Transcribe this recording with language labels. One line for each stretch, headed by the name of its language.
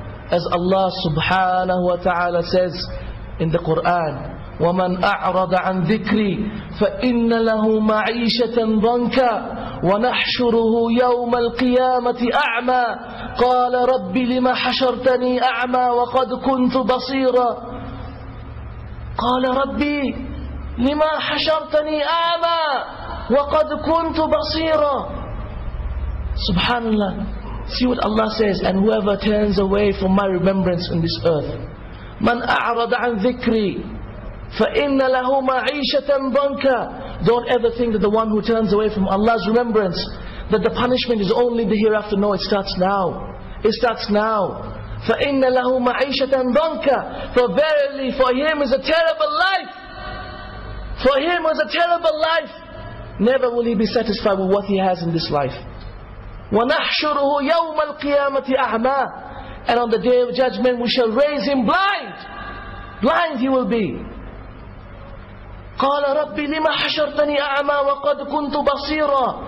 English: As Allah subhanahu wa ta'ala says in the Quran,
Arabic: وَمَنْ أَعْرَضَ عَنْ ذِكْرِي فَإِنَّ لَهُ مَعِيشَةً ضَنْكًا وَنَحْشُرُهُ يَوْمَ الْقِيَامَةِ أَعْمَى قَالَ رَبِّ لِمَ حَشَرْتَنِي أَعْمَى وَقَدْ كُنْتُ بَصِيرًا قَالَ رَبِّ لِمَ حَشَرْتَنِي أَعْمَى وَقَدْ كُنْتُ بَصِيرًا.
English: Subhanallah. See what Allah says, and whoever turns away from my remembrance on this earth,
Arabic: مَنْ أَعْرَضَ عَنْ ذِكْرِي فَإِنَّ لَهُ مَعِيشَةً ضَنْكًا.
English: Don't ever think that the one who turns away from Allah's remembrance, that the punishment is only the hereafter. No, it starts now. It starts now.
Arabic: فَإِنَّ لَهُ مَعِيشَةً ضَنْكًا.
English: For verily, for him is a terrible life. For him is a terrible life. Never will he be satisfied with what he has in this life.
Arabic: وَنَحْشُرُهُ يَوْمَ الْقِيَامَةِ أَعْمَى.
English: And on the Day of Judgment, we shall raise him blind. Blind he will be.
Arabic: قَالَ رَبِّ لِمَ حَشَرْتَنِي أَعْمَى وَقَدْ كُنْتُ بَصِيرًا.